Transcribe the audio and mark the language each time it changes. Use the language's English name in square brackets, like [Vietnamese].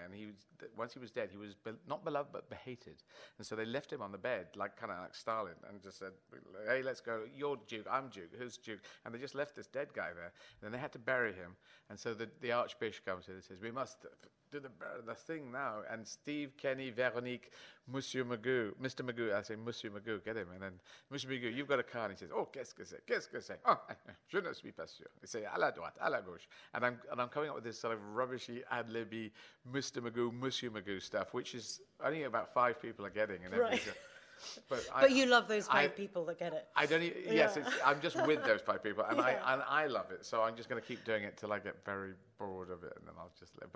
[English] And once he was dead, he was not beloved but hated. And so they left him on the bed, like kind of like Stalin, and just said, hey, let's go. You're Duke, I'm Duke, who's Duke? And they just left this dead guy there. And then they had to bury him. And so the Archbishop comes in and says, we must do the thing now. And Steve, Kenny, Veronique, Monsieur Magoo, get him. And then, Monsieur Magoo, you've got a car. And he says, [French] oh, qu'est-ce que c'est? Oh, je ne suis pas sûr. [English] He says, [French] à la droite, à la gauche. [English] And I'm coming up with this sort of rubbishy, ad-libby, Mr. Magoo, Monsieur Magoo stuff, which is only about five people are getting. And But you love those five people that get it. I don't. I'm just with those five people, and I love it. So I'm just going to keep doing it till I get very bored of it, and then I'll just.